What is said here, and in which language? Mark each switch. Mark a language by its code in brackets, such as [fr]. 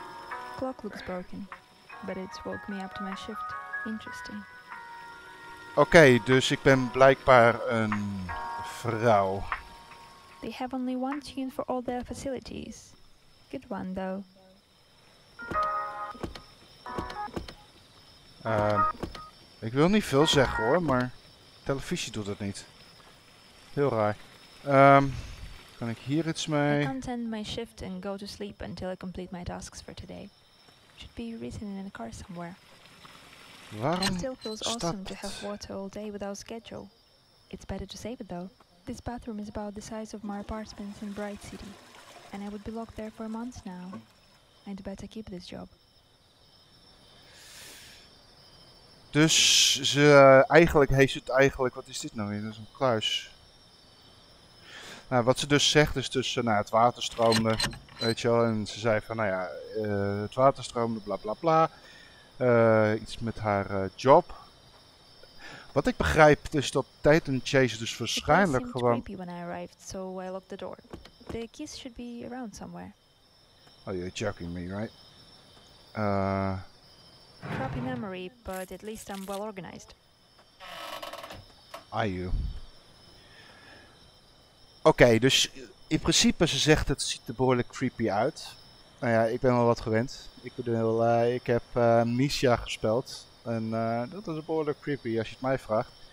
[en] The clock looks broken, but it's woke me up to my shift. Interesting. [nl] Okay, dus ik ben blijkbaar een vrouw. [en] They have only one tune for all their facilities. Good one, though. [nl] Ik wil niet veel zeggen, hoor, maar televisie doet het niet. Heel raar. Kan ik hier iets mee? [en] I can't end my shift and go to sleep until I complete my tasks for today. Should be written in a car somewhere. [nl] Waarom [en] it still feels awesome stopped to have water all day without schedule. It's better to save it though. This bathroom is about the size of my apartments in Bright City, and I would be locked there for a month now. I'd better keep this job. [nl] Dus ze eigenlijk heeft het eigenlijk. Wat is dit nou weer? Dat is een kluis. Nou, wat ze dus zegt is dus het water stroomde. Weet je wel, en ze zei van, het water stroomde, bla bla bla. Iets met haar job. Wat ik begrijp is dat Titan Chaser dus waarschijnlijk gewoon. [en] It seemed creepy when I arrived, so I locked the door. The keys should be around somewhere. Oh, you're joking me, right? Crappy memory, but at least I'm well organized. Are you? [nl] Okay, dus in principe, ze zegt het ziet er behoorlijk creepy uit. Nou ja, ik ben wel wat gewend. Ik heb Misha gespeeld. En dat is behoorlijk creepy als je het mij vraagt.